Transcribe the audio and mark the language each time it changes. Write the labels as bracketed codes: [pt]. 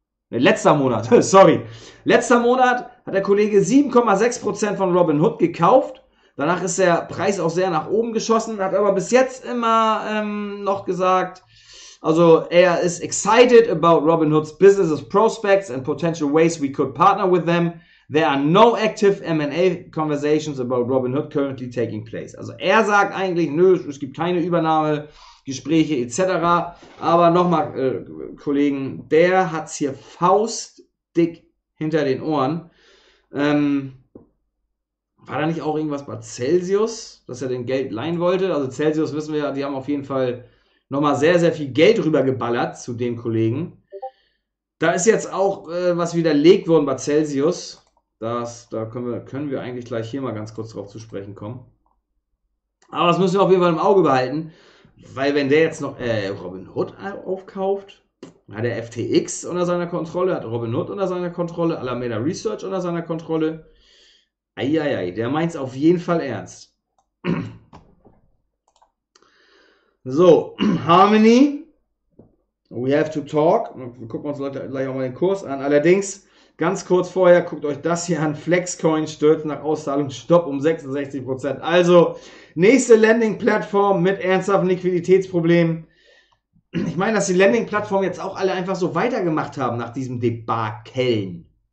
[de] Ne, letzter Monat, sorry. Letzter Monat hat der Kollege 7,6% von Robin Hood gekauft. Danach ist der Preis auch sehr nach oben geschossen, hat aber bis jetzt immer noch gesagt, also er ist [en] excited about Robin Hoods business prospects and potential ways we could partner with them. There are no active M&A conversations about Robin Hood currently taking place. [de] Also er sagt eigentlich, nö, es gibt keine Übernahmegespräche etc. Aber nochmal, Kollegen, der hat es hier faustdick hinter den Ohren. War da nicht auch irgendwas bei Celsius, dass er den Geld leihen wollte? Also Celsius wissen wir ja, die haben auf jeden Fall nochmal sehr, sehr viel Geld rübergeballert zu dem Kollegen. Da ist jetzt auch was widerlegt worden bei Celsius. Da können wir eigentlich gleich hier mal ganz kurz drauf zu sprechen kommen. Aber das müssen wir auf jeden Fall im Auge behalten, weil wenn der jetzt noch Robin Hood aufkauft, hat er FTX unter seiner Kontrolle, hat Robin Hood unter seiner Kontrolle, Alameda Research unter seiner Kontrolle. Eieiei, der meint es auf jeden Fall ernst. [en] So, Harmony, we have to talk. [de] Wir gucken uns gleich auch mal den Kurs an. Allerdings, ganz kurz vorher, guckt euch das hier an. Flexcoin stürzt nach Auszahlung, Stopp um 66%. Also, nächste Lending-Plattform mit ernsthaften Liquiditätsproblemen. Ich meine, dass die Lending-Plattformen jetzt auch alle einfach so weitergemacht haben nach diesem Debakeln.